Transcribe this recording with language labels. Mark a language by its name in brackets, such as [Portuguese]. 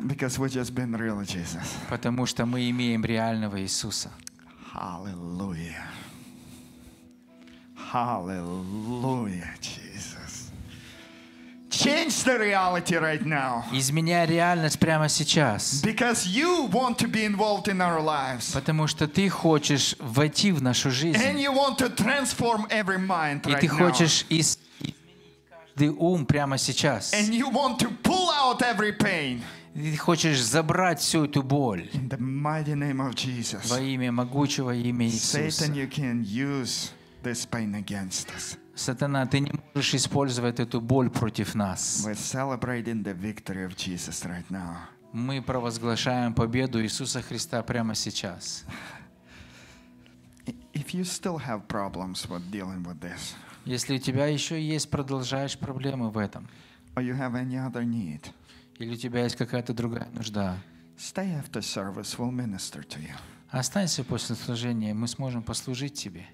[English] Because we've just been real Jesus. [Russian] Потому что мы имеем реального Иисуса. [English] Hallelujah. Hallelujah, Jesus. Change the reality right now. [Russian] Изменяй реальность прямо сейчас. [English] Because you want to be involved in our lives. [Russian] Потому что ты хочешь войти в нашу жизнь. [English] And you want to transform every mind right now. [Russian] И ты хочешь ум прямо сейчас. [English] And you want to pull out every pain. [Russian] Ты хочешь забрать всю эту боль. [English] In the mighty name of Jesus. [Russian] Во имя могучего имени Иисуса. [English] Satan, you can use this pain against us. [Russian] Сатана, ты не можешь использовать эту боль против нас. [English] We're celebrating the victory of Jesus right now. [Russian] Мы провозглашаем победу Иисуса Христа прямо сейчас. [English] If you still have problems with dealing with this. [Russian] Если у тебя еще есть, продолжаешь проблемы в этом. Или у тебя есть какая-то другая нужда. [English] Stay after service, we'll minister to you. [Russian] Останься после служения, мы сможем послужить тебе.